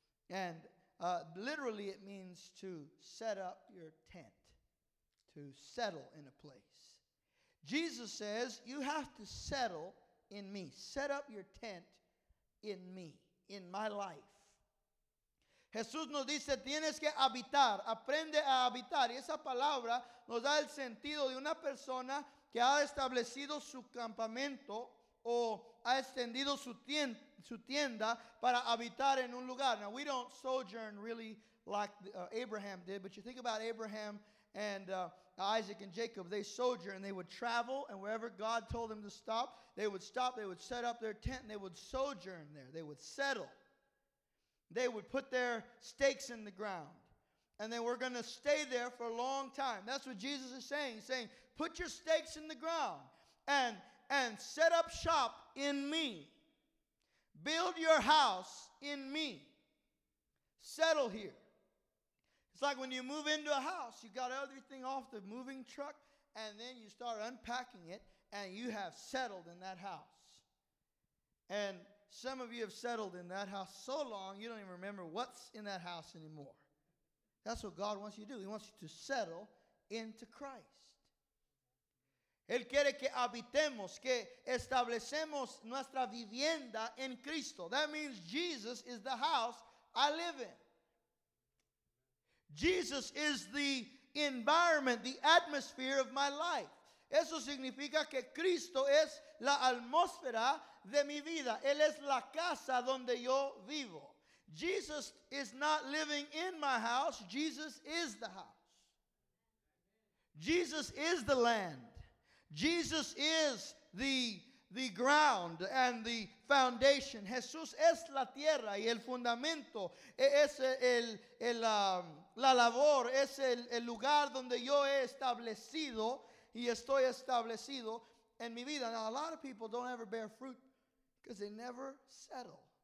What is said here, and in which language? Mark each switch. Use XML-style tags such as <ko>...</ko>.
<en>And literally it means to set up your tent, to settle in a place. Jesus says, you have to settle in me. Set up your tent in me, in my life.</en> <es>Jesús nos dice, tienes que habitar. Aprende a habitar. Y esa palabra nos da el sentido de una persona que ha establecido su campamento o ha extendido su tienda para habitar en un lugar.</es> <en>Now, we don't sojourn really like Abraham did, but you think about Abraham and Isaac and Jacob. They sojourned. They would travel, and wherever God told them to stop, they would stop. They would set up their tent, and they would sojourn there. They would settle. They would put their stakes in the ground, and they were going to stay there for a long time. That's what Jesus is saying. He's saying, put your stakes in the ground, and set up shop in me. Build your house in me. Settle here. It's like when you move into a house, you got everything off the moving truck, and then you start unpacking it, and you have settled in that house. And some of you have settled in that house so long, you don't even remember what's in that house anymore. That's what God wants you to do. He wants you to settle into Christ.</en> <es>Él quiere que habitemos, que establecemos nuestra vivienda en Cristo.</es> <en>That means Jesus is the house I live in. Jesus is the environment, the atmosphere of my life.</en> <es>Eso significa que Cristo es la atmósfera de mi vida. Él es la casa donde yo vivo.</es> <en>Jesus is not living in my house. Jesus is the house. Jesus is the land. Jesus is the ground and the foundation.</en> <es>Jesús es la tierra y el fundamento. Es la labor, es el lugar donde yo he establecido y estoy establecido en mi vida.</es> <en>Now, a lot of people don't ever bear fruit because they never settle.</en>